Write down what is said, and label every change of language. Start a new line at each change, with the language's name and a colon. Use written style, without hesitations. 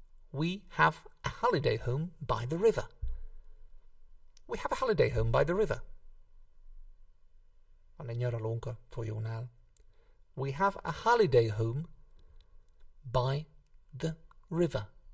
English: We have a holiday home by the river. We have a holiday home by the river.
Hungarian: Van egy nyaralónk a folyónál.
English: We have a holiday home by the river.